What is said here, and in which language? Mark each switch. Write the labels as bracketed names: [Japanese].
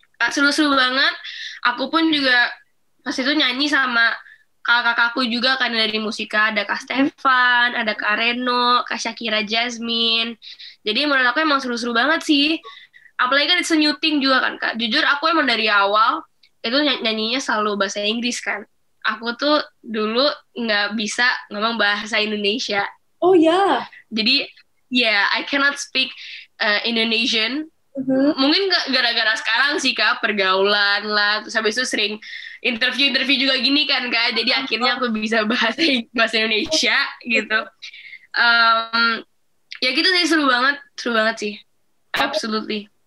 [Indonesian] Seru-seru banget. Aku pun juga pas itu nyanyi sama kakak-kakakku juga kan dari Musika, ada Kak Stefan, ada Kak Reno, Kak Syakira Jasmine. Jadi menurut aku emang seru-seru banget sih. Apalagi kan [English] it's a new thing [Indonesian] juga kan Kak. Jujur aku emang dari awal itu nyanyinya selalu bahasa Inggris kan. Aku tuh dulu gak bisa ngomong bahasa Indonesia. Oh ya. Jadi [English] I cannot speak Indonesian. [Indonesian] Mungkin gara-gara sekarang sih Kak, pergaulan lah. Terus habis itu sering interview-interview juga gini kan Kak. Jadi akhirnya aku bisa bahasa Indonesia gitu. Ya gitu sih, seru banget. Seru banget sih. [English] Absolutely.